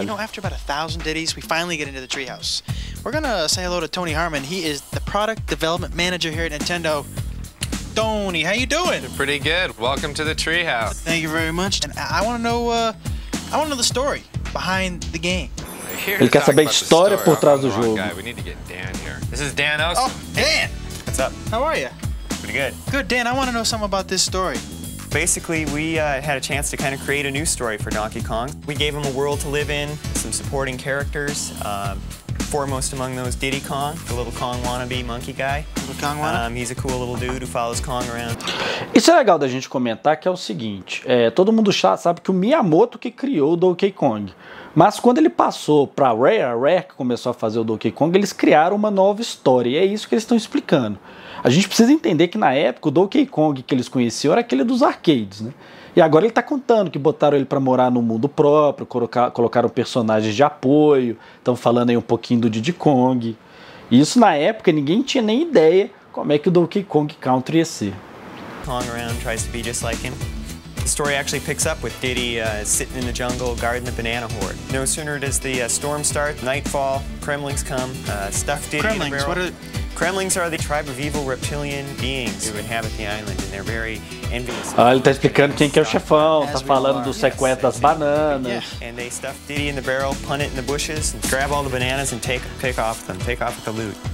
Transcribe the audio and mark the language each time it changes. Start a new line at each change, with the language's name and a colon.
English: You know, after about 1,000 Diddy's, we finally get into the treehouse. We're gonna say hello to Tony Harmon. He is the product development manager here at Nintendo. Tony, how you doing? Pretty good. Welcome to the treehouse. Thank you very much. And I want to know, the story behind the game.
Portuguese: Ele quer saber a história por trás do jogo.
English: We need to get Dan here. This is Dan Os. Oh, Dan. What's up? How are you? Pretty good. Good, Dan. I want to know something about this story. Basically, we had a chance to kind of create a new story for Donkey Kong. We gave him a world to live in, some supporting characters. Foremost among those, Diddy Kong, the little Kong wannabe monkey guy. He's a cool little dude who follows Kong around.
Portuguese: Isso é legal da gente comentar, que é o seguinte, todo mundo já sabe que o Miyamoto que criou o Donkey Kong. Mas quando ele passou pra Rare que começou a fazer o Donkey Kong, eles criaram uma nova história, e é isso que eles estão explicando. A gente precisa entender que na época o Donkey Kong que eles conheciam era aquele dos arcades, né? E agora ele tá contando que botaram ele pra morar no mundo próprio, colocaram personagens de apoio, estão falando aí um pouquinho do Diddy Kong. E isso na época ninguém tinha nem ideia como é que o Donkey Kong Country ia ser.
English: Kong around tries to be just like him. story actually picks up with Diddy sitting in the jungle guarding the banana hoard. No sooner does the storm start, nightfall, Kremlings come, stuff Diddy Kremlings, in the barrel. What are the... Kremlings are the tribe of evil reptilian beings who inhabit the island, and they're very envious.
Portuguese: Ah, ele tá explicando quem que é o chefão, tá falando do sequestro das bananas.
English: And they stuff Diddy in the barrel, punt it in the bushes, and grab all the bananas and take off with the loot.